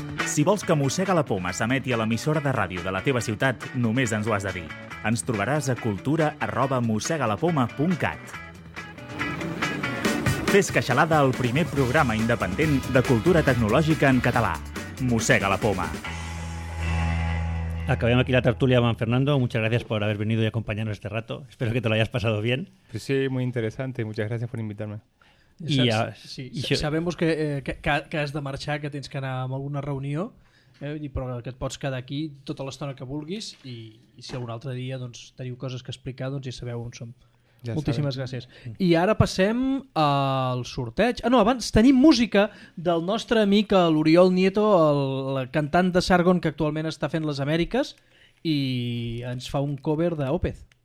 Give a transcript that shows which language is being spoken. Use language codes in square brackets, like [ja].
[ca] Si vols que Mossega la Poma s'emeti a l'emissora de ràdio de la teva ciutat, només ens ho has de dir. Ens trobaràs a cultura@mossegalapoma.cat. Fes Queixalada, el primer programa independent de cultura tecnològica en català. Mossega la Poma. Acabem aquí la tertúlia amb en Fernando. [es] Muchas gracias por haber venido y acompañarnos este rato. Espero que te lo hayas pasado bien. Pues sí, muy interesante. Muchas gracias por invitarme. [ca] I ja, sí, i sabem que has de marxar, que tens que anar a alguna reunió, però que et pots quedar aquí tota l'estona que vulguis i si algun altre dia doncs, teniu coses que explicar, doncs ja sabeu on som. Ja moltíssimes sabem. Gràcies. I ara passem al sorteig. Ah, no, abans tenim música del nostre amic l'Oriol Nieto, el cantant de Sargon que actualment està fent les Amèriques i ens fa un cover d'Òpez.